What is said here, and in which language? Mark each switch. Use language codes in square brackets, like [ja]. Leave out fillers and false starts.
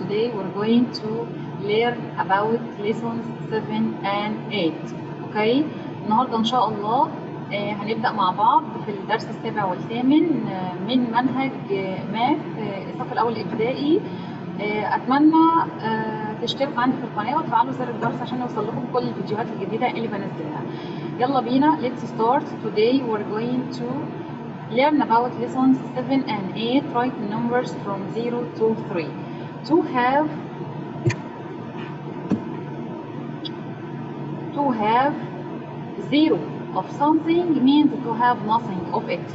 [en] Today we're going to learn about lessons 7 and 8. Okay? [ar] النهاردة إن شاء الله هنبدأ مع بعض في الدرس السابع والثامن من منهج math الصف الأول الابتدائي. أتمنى تشتركوا عندي في القناة وتفعلوا زر الجرس عشان يوصل لكم كل الفيديوهات الجديدة اللي بنزلها. يلا بينا. [en] Let's start. Today we're going to learn about lessons 7 and 8, write numbers from 0 to 3. To have zero of something means to have nothing of it.